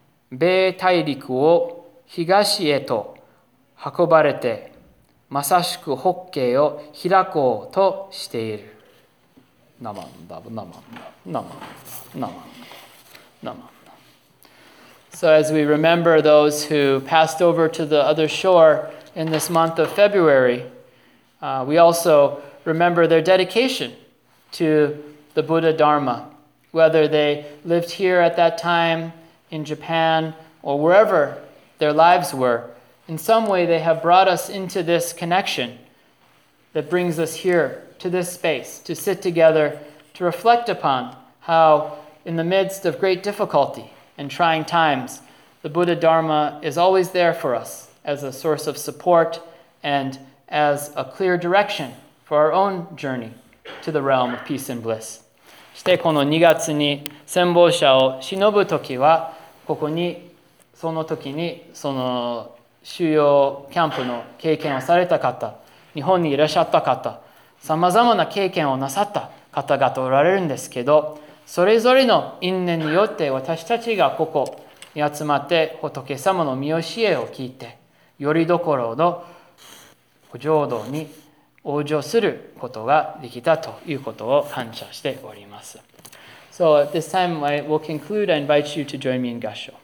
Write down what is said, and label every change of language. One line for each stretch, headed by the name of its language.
Japanese: 米大陸を東へと運ばれて、まさしく法華を開こうとしている。ナマンダブナマンダナマンダナマンダナマンダ。
English: So as we remember those who passed over to the other shore in this month of February, we also remember their dedication to the Buddha Dharma, whether they lived here at that time in Japan or wherever their lives were. In some way, they have brought us into this connection that brings us here to this space to sit together to reflect upon how, in the midst of great difficulty and trying times, the Buddha Dharma is always there for us as a source of support and as a clear direction for our own journey to the realm of peace and bliss.
Japanese: そしてこの2月に戦没者を偲ぶ時は、ここにその時にその収容キャンプの経験をされた方、日本にいらっしゃった方、さまざまな経験をなさった方々おられるんですけど、それぞれの因縁によって私たちがここに集まって仏様の御教えを聞いて、よりどころの浄土に往生することができたということを感謝しております。
English: So at this time I will conclude. I invite you to join me in 合唱。